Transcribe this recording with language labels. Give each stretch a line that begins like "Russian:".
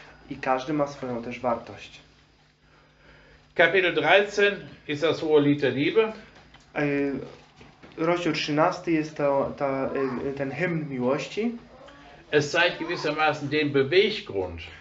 Polish: I każdy ma swoją też wartość.
German: Kapitel 13 ist das hohe Lied der Liebe.
Polish: Rozdział 13 jest ten hymn miłości.
German: Es zeigt gewissermaßen den Beweggrund.